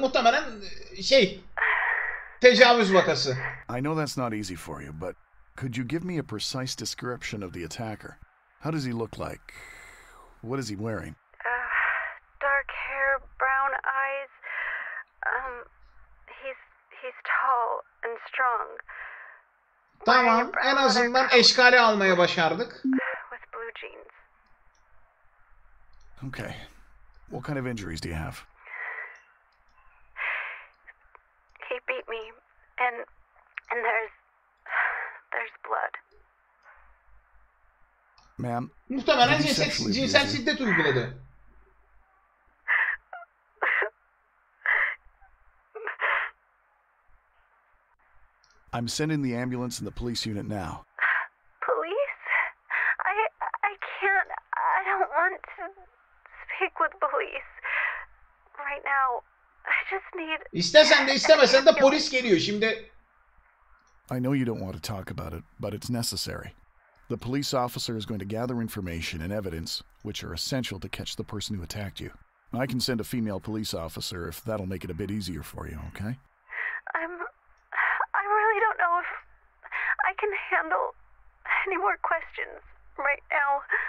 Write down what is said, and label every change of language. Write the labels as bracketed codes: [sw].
[tr] Muhtemelen şey, tecavüz vakası. [en] I know that's not easy for you, but could you give me a precise description of the attacker? How does he look like? What is he wearing? Dark hair, brown eyes. He's tall and strong. [tr] Tamam, en azından eşkale almaya başardık. [en] With blue jeans. Okay. What kind of injuries do you have? He beat me and there's blood. Ma'am, [tr] muhtemelen cinsel şiddet uyguladı. [en] I'm sending the ambulance and the police unit now. Police? I can't. I don't want to speak with police right now. I just need. [tr] İstesen de istemesen de polis geliyor şimdi. [en] I know you don't want to talk about it, but it's necessary. The police officer is going to gather information and evidence, which are essential to catch the person who attacked you. I can send a female police officer if that'll make it a bit easier for you, okay? I really don't know if I can handle any more questions right now.